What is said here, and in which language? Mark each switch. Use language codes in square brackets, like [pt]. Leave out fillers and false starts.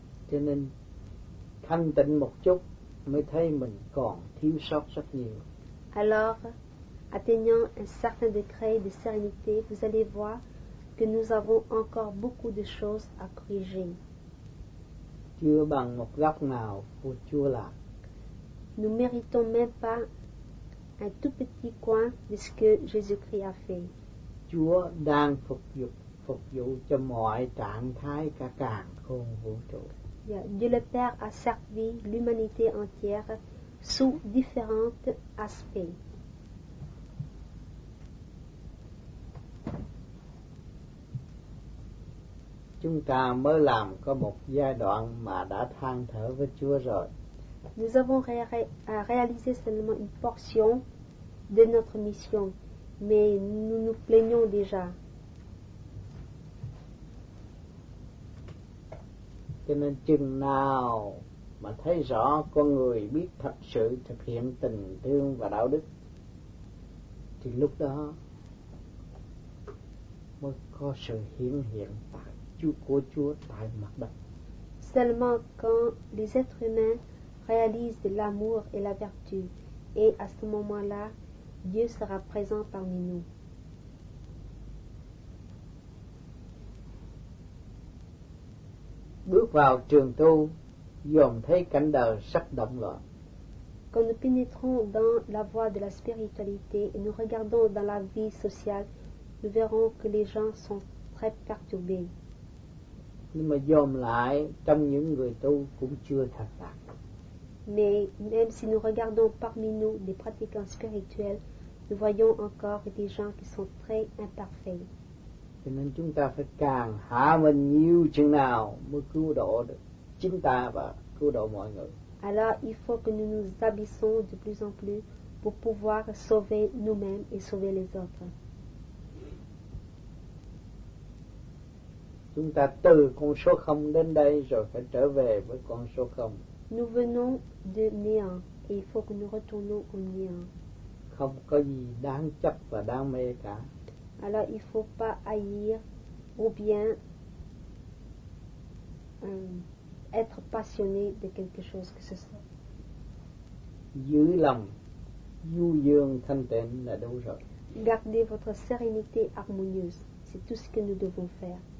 [vi] Cho nên thanh tịnh một chút mới thấy mình còn thiếu sót rất nhiều. [fr] Alors, atteignant un certain degré de sérénité, vous allez voir que nous avons encore beaucoup de choses à corriger. [vi] Chưa bằng một góc nào của Chúa là. [fr] Nous ne méritons même pas un tout petit coin de ce que Jésus-Christ a fait. [vi] Chúa đang phục vụ cho mọi trạng thái cả càng không vũ trụ. [fr] Dieu le Père a servi l'humanité entière sous différents aspects. [vi] Chúng ta mới làm có một giai đoạn mà đã than thở với Chúa rồi. [fr] Nous avons réalisé seulement une portion de notre mission, mais nous nous plaignons déjà. [vi] Cho nên chừng nào mà thấy rõ con người biết thật sự thực hiện tình thương và đạo đức thì lúc đó mới có sự hiện hiện tại Chúa của Chúa tại mặt đất. [fr] Seulement quand les êtres humains réalisent l'amour et la vertu et à ce moment-là Dieu sera présent parmi nous. [vi] Bước vào trường tu, dòm thấy cảnh đời sắc động loạn. [fr] Quand nous pénétrons dans la voie de la spiritualité et nous regardons dans la vie sociale, nous verrons que les gens sont très perturbés. [vi] Nhưng mà dòm lại trong những người tu cũng chưa thật đạt. [fr] Mais même si nous regardons parmi nous des pratiquants spirituels, nous voyons encore des gens qui sont très imparfaits. [vi] Cho nên chúng ta phải càng hạ mình nhiều chừng nào mới cứu độ được chính ta và cứu độ mọi người. [fr] Alors il faut que nous nous abaissons de plus en plus pour pouvoir sauver nous-mêmes et sauver les autres. [vi] Chúng ta từ con số 0 đến đây rồi phải trở về với con số 0. [fr] Nous venons de néant et il faut que nous retournions au néant. [vi] Không có gì đáng chấp và đáng mê cả. [fr] Alors il faut pas haïr ou bien être passionné de quelque chose que ce soit. [vi] Giữ lòng du dương thanh tịnh là đủ rồi. [fr] Gardez votre sérénité harmonieuse, c'est tout ce que nous devons faire.